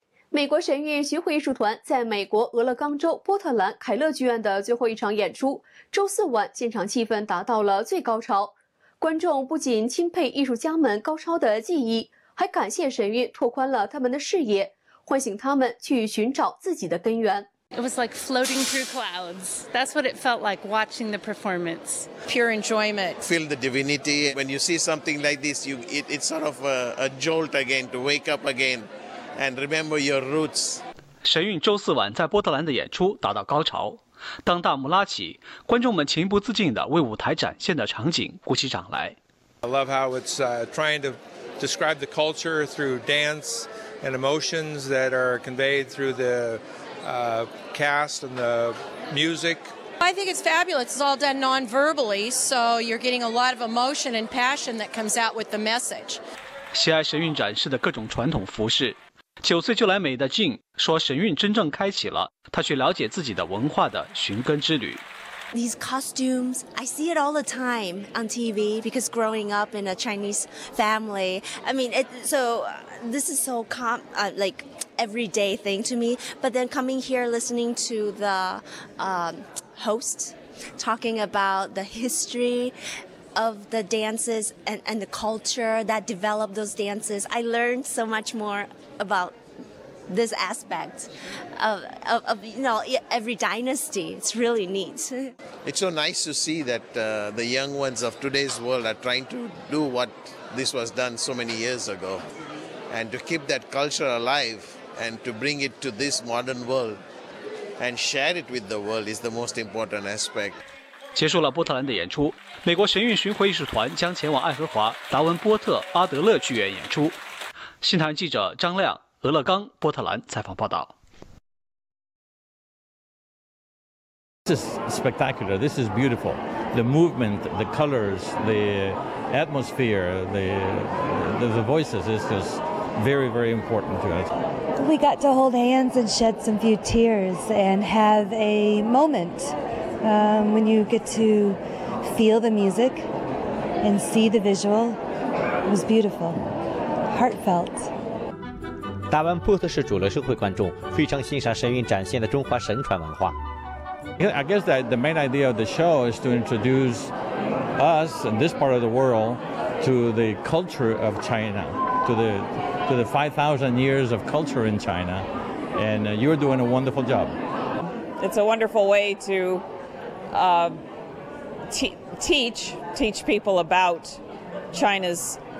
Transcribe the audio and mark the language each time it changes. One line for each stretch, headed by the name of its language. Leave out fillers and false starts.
Chinese: 美国神韵巡回艺术团在美国俄勒冈州波特兰凯勒剧院的最后一场演出，周四晚现场气氛达到了最高潮。观众不仅钦佩艺术家们高超的技艺，还感谢神韵拓宽了他们的视野，唤醒他们去寻找自己的根源。
English: It was like floating through clouds. That's what it felt like watching the performance. Pure enjoyment. Feel the divinity. When you see something like this, it's sort of a jolt again to wake up again and remember your roots.
Chinese: 神韵周四晚在波特兰的演出达到高潮。当大幕拉起，观众们情不自禁地为舞台展现的场景鼓起掌来。
English: I love how it's trying to describe the culture through dance and emotions that are conveyed through the cast and the music. I think it's fabulous. It's all done non-verbally, so you're getting a lot of emotion and passion that comes out with the message.
Chinese: 喜爱神韵展示的各种传统服饰。九岁就来美的 Jin 说，神韵真正开启了他去了解自己的文化的寻根之旅。
English: These costumes, I see it all the time on TV because growing up in a Chinese family, I mean, this is so like everyday thing to me. But then coming here, listening to the host talking about the history of the dances and the culture that developed those dances, I learned so much more about this aspect of you know, every dynasty. It's really neat. It's so nice to see that the young ones of today's world are trying to do what this was done so many years ago. And to keep that culture alive and to bring it to this modern world and share it with the world is the most important aspect.
Chinese: 结束了波特兰的演出，美国神韵巡回艺术团将前往爱荷华达文波特阿德勒剧院演出。新唐记者张亮，俄勒冈波特兰采访报道。
English: This is spectacular. This is beautiful. The movement, the colors, the atmosphere, the voices is just very, very important to us. We got to hold hands and shed some few tears and have a moment when you get to feel the music and see the visual. It was beautiful, heartfelt.
Chinese: 达文波特是主流社会观众，非常欣赏神韵展现的中华神传文化。
English: I guess that the main idea of the show is to introduce us and this part of the world to the culture of China, to the 5,000 years of culture in China, and you're doing a wonderful job. It's a wonderful way to teach people about China's.